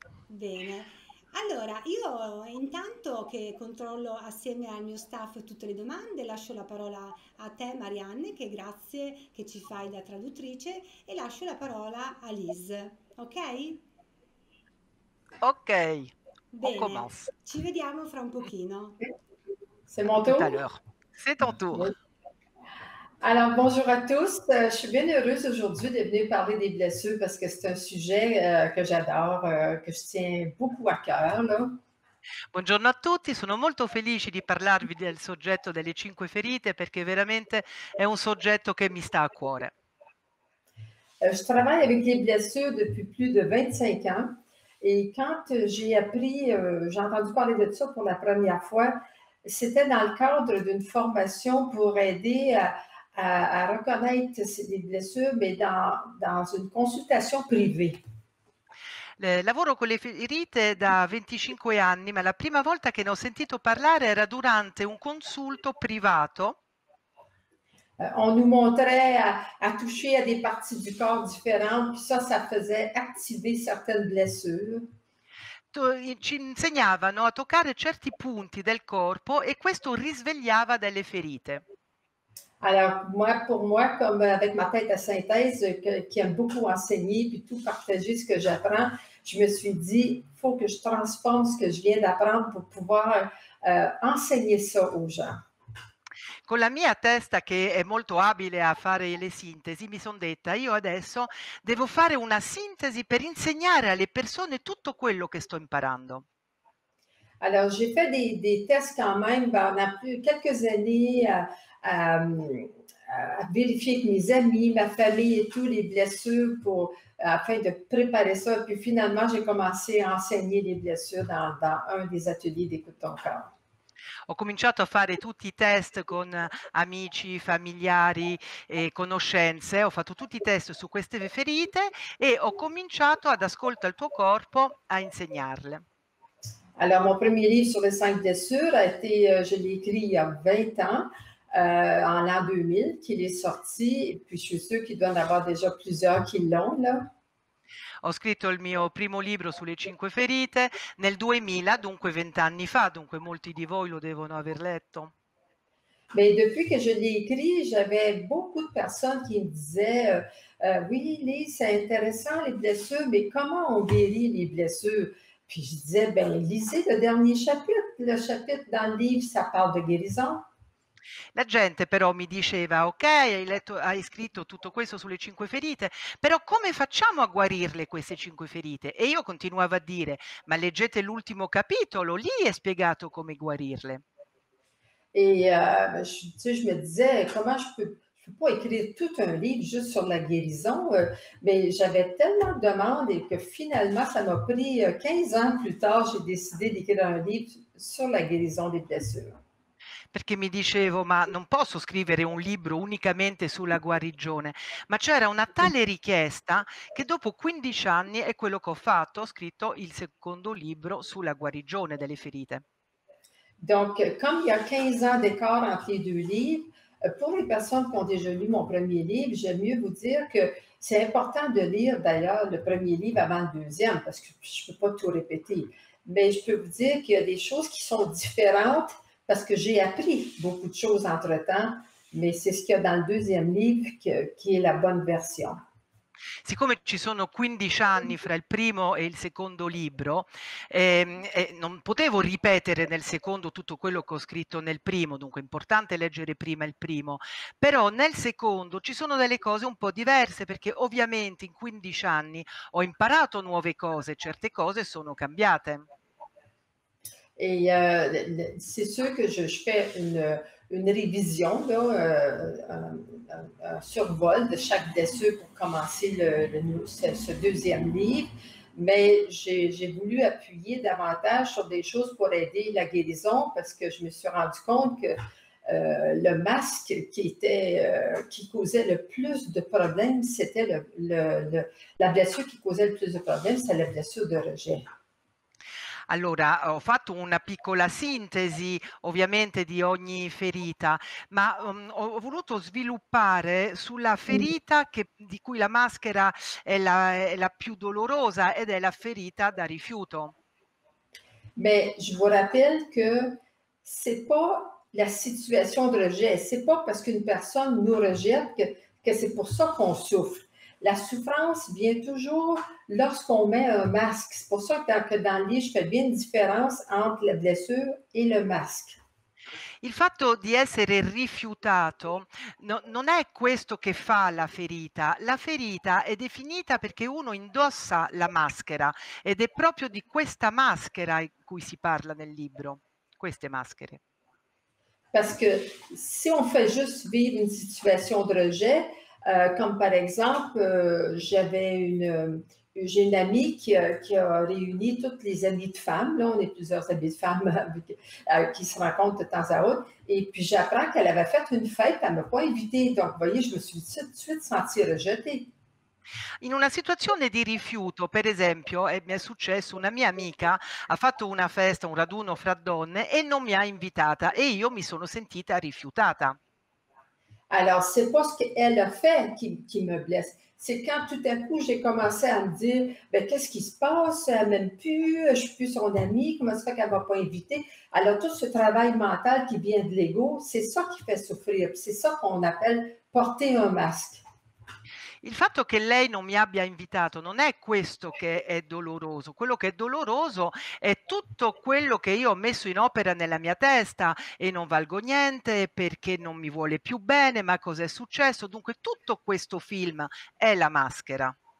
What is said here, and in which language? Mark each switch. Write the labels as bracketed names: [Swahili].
[Italian] Bene, allora io intanto che controllo assieme al mio staff tutte le domande, lascio la parola a te Marianne, che grazie che ci fai da traduttrice, e lascio la parola a Lise, ok? Ok, Bene, [French] on commence. [Italian] ci vediamo fra un pochino. [French] C'est mon tour? Tout à l'heure, c'est ton tour. Alors, bonjour à tous. Je suis bien heureuse aujourd'hui de venir parler des blessures parce que c'est un sujet que j'adore, que je tiens beaucoup à cœur, là. [Italian] Buongiorno a tutti, sono molto felice di parlarvi del soggetto delle cinque ferite perché veramente è un soggetto che mi sta a cuore. [French] Je travaille avec les blessures depuis plus de 25 ans et quand j'ai appris, j'ai entendu parler de ça pour la première fois, c'était dans le cadre d'une formation pour aider à reconnaître les blessures, mais dans une consultation privée. [Italian] Lavoro con le ferite da 25 anni, ma la prima volta che ne ho sentito parlare era durante un consulto privato. [French] On nous montrait à toucher à des parties du corps différentes, puis ça faisait activer certaines blessures. [Italian] Ci insegnavano a toccare certi punti del corpo e questo risvegliava delle ferite. [French] Alors, moi, pour moi, comme avec ma tête à synthèse, qui aime beaucoup enseigner puis tout partager ce que j'apprends, je me suis dit, il faut que je transforme ce que je viens d'apprendre pour pouvoir enseigner ça aux gens. [Italian] Con la mia testa, che è molto abile a fare le sintesi, mi sono detta, io adesso devo fare una sintesi per insegnare alle persone tutto quello che sto imparando. [French] Alors, j'ai fait des tests quand même, ben, on a plus quelques années à vérifier avec mes amis, ma famille et tous les blessures pour, afin de préparer ça. Puis finalement, j'ai commencé à enseigner les blessures dans un des ateliers d'écoute ton corps. [Italian] Ho cominciato a fare tutti i test con amici, familiari e conoscenze. Ho fatto tutti i test su queste ferite e ho cominciato ad ascoltare il tuo corpo a insegnarle. [French] Alors, mon premier livre sur les cinq blessures a été, je l'ai écrit il y a 20 ans, en l'an 2000, qu'il est sorti. Et puis, je suis sûre qu'il doit en avoir déjà plusieurs qui l'ont, là. [Italian] Ho scritto il mio primo libro sulle cinque ferite nel 2000, dunque 20 anni fa, dunque molti di voi lo devono aver letto. [French] Ma depuis que je l'ai écrit, j'avais beaucoup de personnes qui me disaient oui, Lise, c'est intéressant les blessures, mais comment on guérit les blessures? Puis je disais, ben lisez le dernier chapitre, le chapitre dans le livre, ça parle de guérison. [Italian] La gente però mi diceva, ok, hai scritto tutto questo sulle cinque ferite, però come facciamo a guarirle queste cinque ferite? E io continuavo a dire, ma leggete l'ultimo capitolo, lì è spiegato come guarirle. [French] E je me disais, comment je peux écrire tout un livre juste sur la guérison, mais j'avais tellement de demandes que finalement ça m'a pris 15 ans plus tard, j'ai décidé d'écrire un livre sur la guérison des blessures. [Italian] Perché mi dicevo, ma non posso scrivere un libro unicamente sulla guarigione, ma c'era una tale richiesta che dopo 15 anni è quello che ho fatto, ho scritto il secondo libro sulla guarigione delle ferite. [French] Donc, comme il y a 15 ans d'écart entre les deux livres, pour les personnes qui ont déjà lu mon premier livre, j'aime mieux vous dire que c'est important de lire d'ailleurs le premier livre avant le deuxième, parce que je ne peux pas tout répéter, mais je peux vous dire qu'il y a des choses qui sont différentes parce que j'ai appris beaucoup de choses entre-temps, mais c'est ce qu'il y a dans le deuxième livre qui est la bonne version. [Italian] Siccome ci sono 15 anni fra il primo e il secondo libro, non potevo ripetere nel secondo tutto quello che ho scritto nel primo, dunque è importante leggere prima il primo, però nel secondo ci sono delle cose un po' diverse perché ovviamente in 15 anni ho imparato nuove cose, certe cose sono cambiate. [French] Et c'est sûr que je fais une révision, là, un survol de chaque blessure pour commencer ce deuxième livre, mais j'ai voulu appuyer davantage sur des choses pour aider la guérison parce que je me suis rendu compte que le masque qui causait le plus de problèmes, c'était la blessure qui causait le plus de problèmes, c'est la blessure de rejet. [Italian] Allora, ho fatto una piccola sintesi, ovviamente, di ogni ferita, ma ho voluto sviluppare sulla ferita di cui la maschera è la più dolorosa ed è la ferita da rifiuto. [French] Mais je vous rappelle que c'est pas la situation de rejet, c'est pas parce qu'une personne nous rejette que c'est pour ça qu'on souffre. La souffrance vient toujours lorsqu'on met un masque. C'est pour ça que dans le livre, je fais bien une différence entre la blessure et le masque. [Italian] Il fatto di essere rifiutato non è questo che fa la ferita. La ferita è definita perché uno indossa la maschera ed è proprio di questa maschera di cui si parla nel libro, queste maschere. [French] Parce que si on fait juste vivre une situation de rejet, comme par exemple, j'ai une amie qui a réuni toutes les amies de femmes, là on est plusieurs amies de femmes qui se rencontrent de temps à autre, et puis j'apprends qu'elle avait fait une fête, elle ne m'a pas invitée, donc vous voyez, je me suis tout de suite sentie rejetée. [Italian] In una situazione di rifiuto, per esempio, mi è successo, una mia amica ha fatto una festa, un raduno fra donne e non mi ha invitata e io mi sono sentita rifiutata. [French] Alors, c'est pas ce qu'elle a fait qui me blesse. C'est quand tout à coup j'ai commencé à me dire, ben qu'est-ce qui se passe? Elle m'aime plus, je suis plus son amie, comment ça fait qu'elle m'a pas invitée? Alors tout ce travail mental qui vient de l'ego, c'est ça qui fait souffrir, c'est ça qu'on appelle porter un masque. [Italian] Il fatto che lei non mi abbia invitato non è questo che è doloroso. Quello che è doloroso è tutto quello che io ho messo in opera nella mia testa e non valgo niente perché non mi vuole più bene, ma cosa è successo? Dunque tutto questo film è la maschera.